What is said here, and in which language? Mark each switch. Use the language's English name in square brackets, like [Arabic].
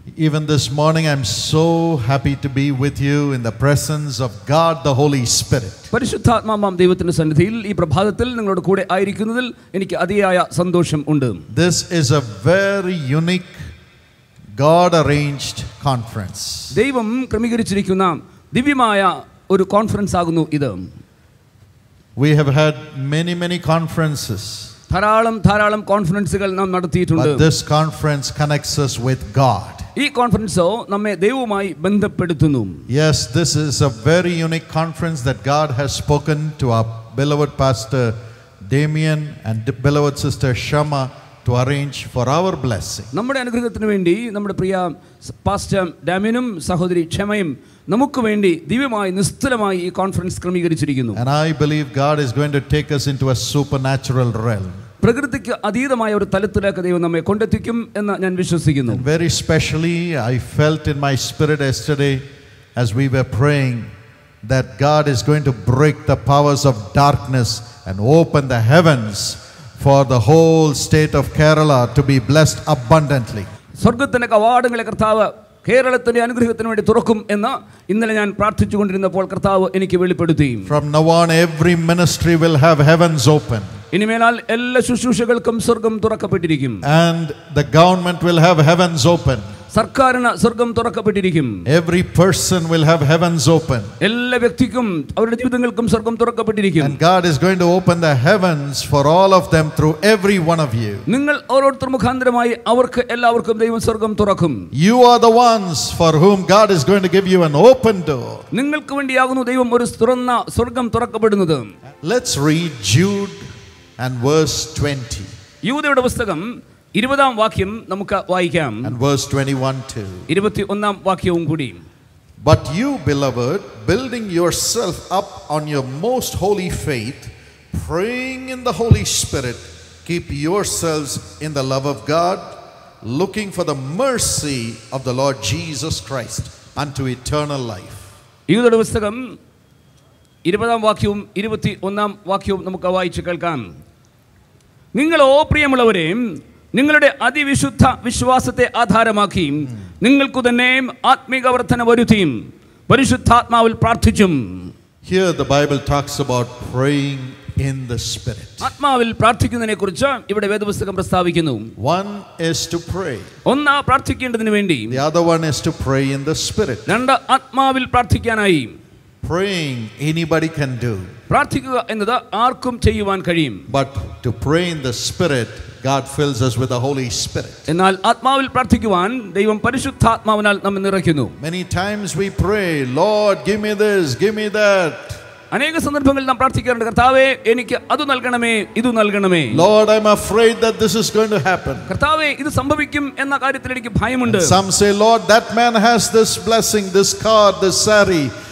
[English] Even this morning I'm so happy to be with you in the presence of God the Holy Spirit. [Malayalam] പരിശുദ്ധാത്മാവാം ദൈവത്തിന്റെ സന്നിധിയിൽ ഈ പ്രഭാതത്തിൽ നിങ്ങളുടെ കൂടെ ആയിരിക്കുന്നതിൽ എനിക്ക് അതിയായ സന്തോഷം ഉണ്ട്. [English] This is a very unique God arranged conference. [Malayalam] ദൈവം ക്രമീകരിച്ചിരിക്കുന്ന ദിവ്യമായ ഒരു കോൺഫറൻസ് ആകുന്നു ഇത്. [English] We have had many conferences. [Malayalam] ധാരാളം കോൺഫറൻസുകൾ നാം നടത്തിയിട്ടുണ്ട്. [English] But this conference connects us with God. [Malayalam] ഈ കോൺഫറൻസോ നമ്മെ ദൈവവുമായി ബന്ധപ്പെടുത്തുന്നു. [English] Yes, this is a very unique conference that God has spoken to our beloved pastor Damien and beloved sister Shama to arrange for our blessing. [Malayalam] നമ്മുടെ അനുഗ്രഹത്തിനു വേണ്ടി നമ്മുടെ പ്രിയ pastor ഡാമിനും സഹോദരി ക്ഷമയും നമുക്ക് വേണ്ടി ദിവ്യമായി നിസ്തുലമായി ഈ കോൺഫറൻസ് ക്രമീകരിച്ചിരിക്കുന്നു. [English] And I believe God is going to take us into a supernatural realm. [Malayalam] പ്രകൃതിക്ക് അതീതമായ ഒരു തലത്തിലേക്ക് ദൈവം നമ്മെ കൊണ്ടെത്തിക്കും എന്ന് ഞാൻ വിശ്വസിക്കുന്നു. [English] Very specially I felt in my spirit yesterday as we were praying that God is going to break the powers of darkness and open the heavens for the whole state of Kerala to be blessed abundantly. [Malayalam] സ്വർഗ്ഗത്തിന്റെ കവാടങ്ങളെ കർത്താവ് കേരളത്തിന്റെ അനുഗ്രഹത്തിന് വേണ്ടി തുറക്കും എന്ന് ഇന്നലെ ഞാൻ പ്രാർത്ഥിച്ചുകൊണ്ടിരുന്നപ്പോൾ കർത്താവ് എനിക്ക് വെളിപ്പെടുത്തി. [English] From now on every ministry will have heavens open. [Malayalam] ഇനിമേലാൽ എല്ലാ ശുശ്രൂഷകൾക്കും സ്വർഗം തുറക്കപ്പെട്ടിരിക്കും. [English] And the government will have heavens open. [Malayalam] സർക്കാരിന് സ്വർഗം തുറക്കപ്പെട്ടിരിക്കും. [English] Every person will have heavens open. [Malayalam] എല്ലാ വ്യക്തിക്കും അവരുടെ ജീവിതങ്ങൾക്കും സ്വർഗം തുറക്കപ്പെട്ടിരിക്കും. [English] And God is going to open the heavens for all of them through every one of you. [Malayalam] നിങ്ങൾ ഓരോരുത്തർ മുഖാന്തരമായി അവർക്ക് എല്ലാവർക്കും ദൈവം സ്വർഗം തുറക്കും. [English] You are the ones for whom God is going to give you an open door. [Malayalam] നിങ്ങൾക്ക് വേണ്ടിയാകുന്നു ദൈവം ഒരു തുറന്ന സ്വർഗം തുറക്കപ്പെടുന്നത്. [English] Let's read Jude and verse 20. [Malayalam] യൂദയുടെ പുസ്തകം 20th വാക്യം നമുക്ക് വായിക്കാം. [English] And verse 21 too. [Malayalam] 21st വാക്യവും കൂടി. [English] But you beloved, building yourself up on your most holy faith, praying in the Holy Spirit, keep yourselves in the love of God, looking for the mercy of the Lord Jesus Christ unto eternal life. [Malayalam] യൂദയുടെ പുസ്തകം 20th വാക്യവും 21st വാക്യവും നമുക്ക് വായിച്ചു കേൾക്കാം. നിങ്ങളോ പ്രിയമുള്ളവരെ, നിങ്ങളുടെ അതിവിശുദ്ധ വിശ്വാസത്തെ ആധാരമാക്കി നിങ്ങൾക്കു തന്നെ ആത്മീക വർദ്ധന വരുത്തിയും പരിശുദ്ധാത്മാവിൽ പ്രാർത്ഥിച്ചും. [English] Here the Bible talks about praying in the spirit. [Malayalam] ആത്മാവിൽ പ്രാർത്ഥിക്കുന്നതിനെക്കുറിച്ച് ഇവിടെ വേദപുസ്തകം പ്രസ്താവിക്കുന്നു. [English] One is to pray. [Malayalam] ഒന്ന് പ്രാർത്ഥിക്കേണ്ടതിനു വേണ്ടി. [English] The other one is to pray in the spirit. [Malayalam] രണ്ട് ആത്മാവിൽ പ്രാർത്ഥിക്കാനായി. [English] Praying anybody can do. [Malayalam] പ്രാർത്ഥിക്കുക എന്നത് ആർക്കും ചെയ്യുവാൻ കഴിയും. [English] But to pray in the spirit, God fills us with the Holy Spirit. [Malayalam] എന്നാൽ ആത്മാവിൽ പ്രാർത്ഥിക്കുവാൻ ദൈവം പരിശുദ്ധാത്മാവിനാൽ നമ്മെ നിറയ്ക്കുന്നു. [English] Many times we pray, Lord, give me this, give me that. [Malayalam] അനേക സന്ദർഭങ്ങളിൽ നാം പ്രാർത്ഥിക്കാറുണ്ട്, കർത്താവേ എനിക്ക് അത് നൽകണമേ, ഇത് നൽകണമേ. [English] Lord, I'm afraid that this is going to happen. [Malayalam] കർത്താവേ ഇത് സംഭവിക്കും എന്ന കാര്യത്തിൽ എനിക്ക് ഭയമുണ്ട്. [English] Some say, Lord, that man has this blessing, this car, this sari.